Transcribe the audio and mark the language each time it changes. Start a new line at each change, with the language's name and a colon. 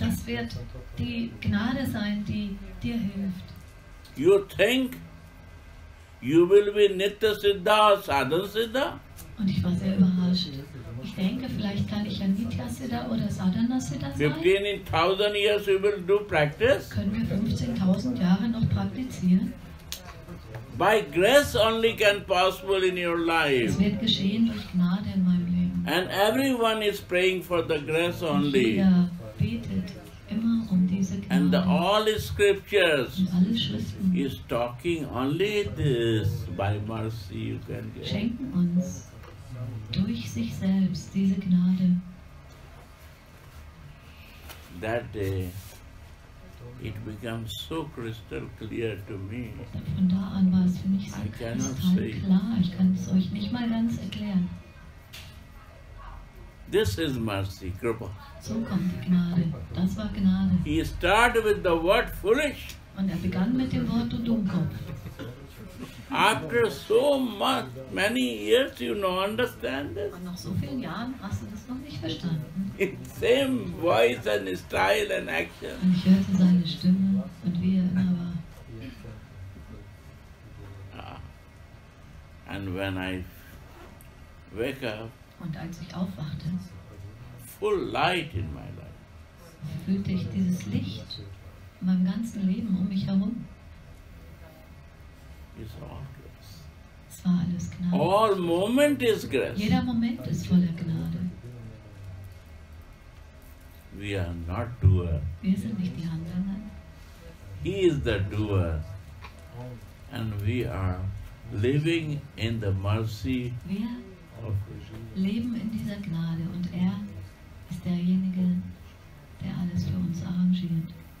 German: Das wird die Gnade sein, die dir hilft.
English: You think you will be Nitya Siddha or Sadhana Siddha?
German: Und ich war sehr überrascht. Ich denke, vielleicht kann ich ja Nitya Siddha oder Sadhana Siddha sein.
English: 15,000 years you will do practice?
German: Können wir 15,000 Jahre noch praktizieren?
English: By grace only can possible in your life.
German: Es wird geschehen durch Gnade in meinem Leben.
English: And everyone is praying for the grace only.
German: Jeder betet immer diese Gnade.
English: And all the scriptures
German: und alle Schriften
English: is talking only this. By mercy you can get.
German: Schenken uns durch sich selbst diese Gnade.
English: That day. It becomes so crystal clear to me.
German: Von da an war es für mich so kristallklar. Ich kann es euch nicht mal ganz erklären.
English: This is mercy, Kripa.
German: So kommt die Gnade. Das war Gnade.
English: He started with the word foolish.
German: Und er begann mit dem Wort du Dummkopf.
English: After so much, many years, you know, understand this?
German: Und nach so vielen Jahren hast du das noch nicht verstanden.
English: In same voice and style and action.
German: Und ich hörte seine Stimme und wie er immer war.
English: And when I wake up,
German: und als ich aufwachte,
English: full light in my life,
German: fühlte ich dieses Licht in meinem ganzen Leben um mich herum.
English: Is all grace.
German: Es war alles Gnade.
English: All moment is grace.
German: Jeder Moment ist voller Gnade.
English: We are not doer.
German: Wir sind nicht die Handelnden.
English: He is the doer. And we are living in the mercy of Krishna.
German: Leben in dieser Gnade und er ist derjenige, der alles für uns arrangiert.